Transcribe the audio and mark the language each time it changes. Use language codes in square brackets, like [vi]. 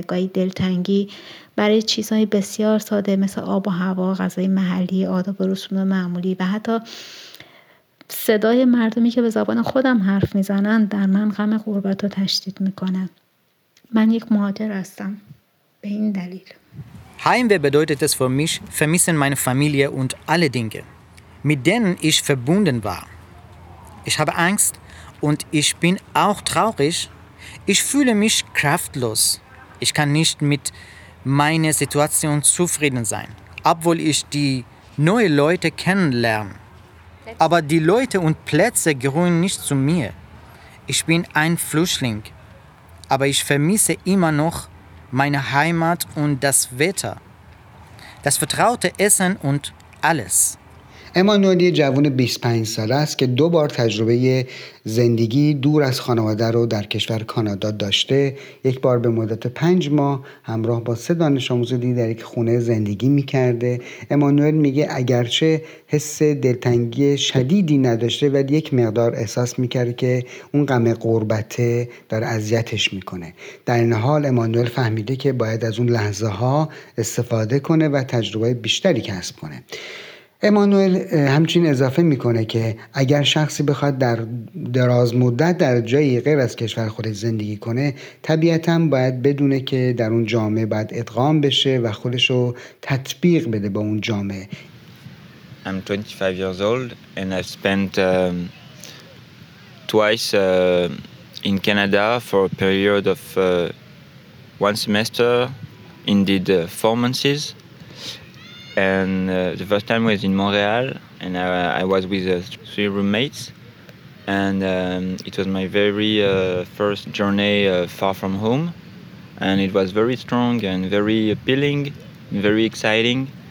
[fa] گاهی دلتنگی برای چیزهای بسیار ساده مثل آب و هوا، غذای محلی، آداب و رسوم معمولی و حتی صدای مردمی که به زبان خودم حرف میزنن در من غم غربت رو تشدید میکنه. من یک مهاجر هستم به این دلیل. [de] Heimweh bedeutet es für mich, vermissen meine Familie und alle Dinge, mit denen ich verbunden war. Ich habe Angst und ich bin auch traurig. Ich fühle mich kraftlos. Ich kann nicht mit meiner Situation zufrieden sein, obwohl ich die neuen Leute kennenlerne. Aber die Leute und Plätze gehören nicht zu mir. Ich bin ein Flüchtling, aber ich vermisse immer noch meine Heimat und das Wetter, das vertraute Essen und alles. [fa] امانوئل یه جوان 25 ساله است که دو بار تجربه زندگی دور از خانواده رو در کشور کانادا داشته. یک بار به مدت 5 ماه همراه با 3 دانش آموز دیگه در یک خونه زندگی می‌کرده. امانوئل میگه اگرچه حس دلتنگی شدیدی نداشته ولی یک مقدار احساس می‌کرده که اون غم غربت داره اذیتش می‌کنه. در این حال امانوئل فهمیده که باید از اون لحظه‌ها استفاده کنه و تجربه بیشتری کسب کنه. امانوئل همچنین اضافه میکنه که اگر شخصی بخواد در دراز مدت در جایی غیر از کشور خودش زندگی کنه، طبیعتاً باید بدونه که در اون جامعه باید ادغام بشه و خودش رو تطبیق بده با اون جامعه. [en] I'm 25 years old and I've spent twice in Canada for a period of one semester, indeed 4 months. And the first time was in Montreal, and I was with 3 roommates, and it was my very first journey far from home, and it was very strong and very appealing, and very exciting.